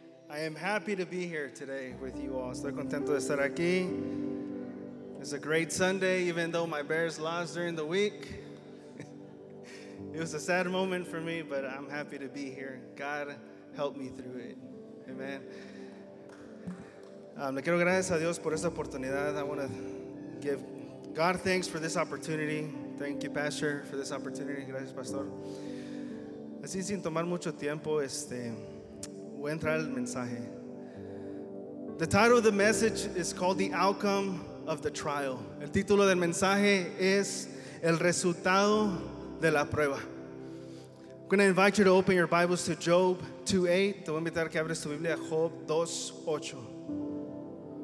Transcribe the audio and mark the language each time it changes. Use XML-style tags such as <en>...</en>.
<en>I am happy to be here today with you all.</en> <es>Estoy contento de estar aquí.</es> <en>It's a great Sunday, even though my Bears lost during the week. It was a sad moment for me, but I'm happy to be here. God helped me through it. Amen.</en> <es>Le quiero gracias a Dios por esta oportunidad.</es> <en>I want to give God thanks for this opportunity. Thank you, Pastor, for this opportunity.</en> <es>Gracias, Pastor. Así sin tomar mucho tiempo, voy a entrar al mensaje.</es> <en>The title of the message is called The Outcome of the Trial.</en> <es>El título del mensaje es El Resultado de la Prueba.</es> <en>I'm going to invite you to open your Bibles to Job 2:8.</en> <es>Te voy a invitar a que abres tu Biblia a Job 2:8.</es>